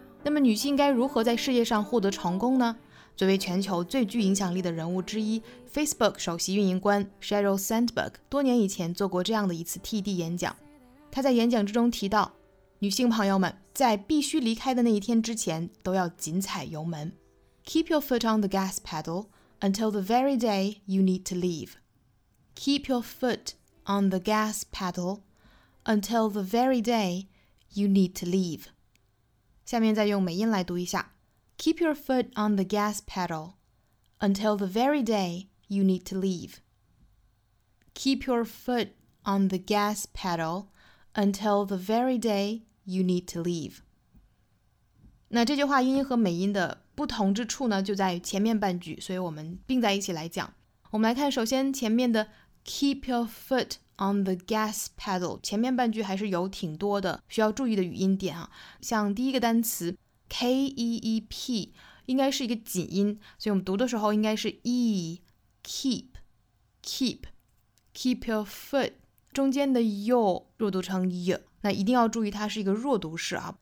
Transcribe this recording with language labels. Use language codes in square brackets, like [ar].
[zh] 那么女性该如何在事业上获得成功呢？作为全球最具影响力的人物之一， Facebook 首席运营官 Sheryl Sandberg 多年以前做过这样的一次 TED 演讲。她在演讲之中提到，女性朋友们在必须离开的那一天之前都要紧踩油门。 [en] Keep your foot on the gas pedal until the very day you need to leave. Keep your foot on the gas pedal until the very day you need to leave. [zh] 下面再用美音来读一下。 [en] Keep your foot on the gas pedal until the very day you need to leave. Keep your foot on the gas pedal until the very day you need to leave. [zh] 那这句话英音和美音的不同之处呢，就在前面半句，所以我们并在一起来讲。我们来看，首先前面的 [en] keep your foot on the gas pedal， [zh] 前面半句还是有挺多的需要注意的语音点啊，像第一个单词K-E-E-P 应该是一个紧音，所以我们读的时候应该是 E keep keep keep your foot， 中间的 your 弱读成 y， 那一定要注意它是一个弱读式啊。